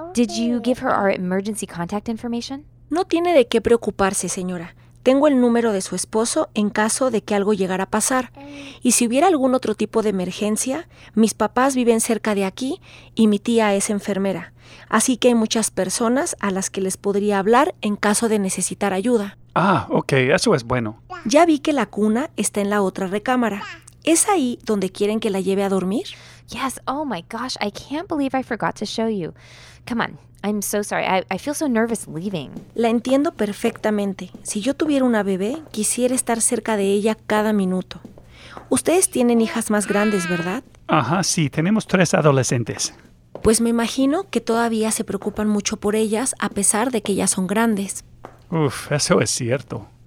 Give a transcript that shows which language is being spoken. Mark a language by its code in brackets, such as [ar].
[en] Did you give her our emergency contact information? [es] No tiene de qué preocuparse, señora. Tengo el número de su esposo en caso de que algo llegara a pasar. Y si hubiera algún otro tipo de emergencia, mis papás viven cerca de aquí y mi tía es enfermera. Así que hay muchas personas a las que les podría hablar en caso de necesitar ayuda. Ah, ok, eso es bueno. Ya vi que la cuna está en la otra recámara. ¿Es ahí donde quieren que la lleve a dormir? [en] Yes, oh my gosh, I can't believe I forgot to show you. Come on, I'm so sorry, I feel so nervous leaving. [es] La entiendo perfectamente. Si yo tuviera una bebé, quisiera estar cerca de ella cada minuto. Ustedes tienen hijas más grandes, ¿verdad? Ajá, sí, tenemos 3 adolescentes. Pues me imagino que todavía se preocupan mucho por ellas, a pesar de que ya son grandes. Uf, eso es cierto.